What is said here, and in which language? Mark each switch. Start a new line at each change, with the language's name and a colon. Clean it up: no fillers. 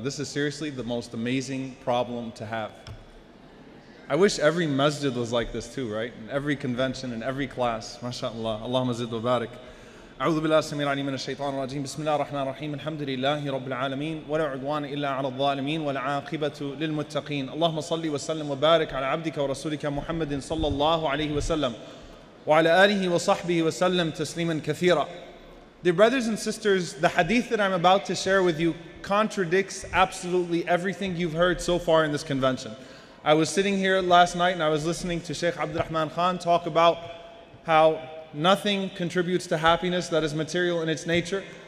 English: This is seriously the most amazing problem to have. I wish every masjid was like this too, right? In every convention and every class.
Arabic: ما شاء الله. Allahumma zid wa barik. أعوذ بالله السميع العليم من الشيطان الرجيم بسم الله الرحمن الرحيم الحمد لله رب العالمين ولا عدوان إلا على الظالمين والعاقبة للمتقين اللهم صل وسلم وبارك على عبدك ورسولك محمد صلى الله عليه وسلم وعلى آله وصحبه وسلم تسليما كثيرا.
English: Dear brothers and sisters, the hadith that I'm about to share with you contradicts absolutely everything you've heard so far in this convention. I was sitting here last night and I was listening to Sheikh Abdul Rahman Khan talk about how nothing contributes to happiness that is material in its nature.